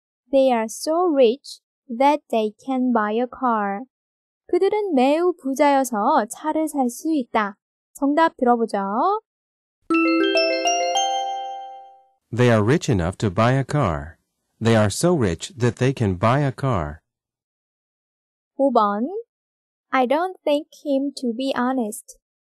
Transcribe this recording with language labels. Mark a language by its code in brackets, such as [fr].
[en] They are so rich that they can buy a car. [ko] 그들은 매우 부자여서 차를 살 수 있다. 정답 들어보죠. [en] They are rich enough to buy a car. They are so rich that they can buy a car. [ko] 5번 [en] I don't think him to be honest.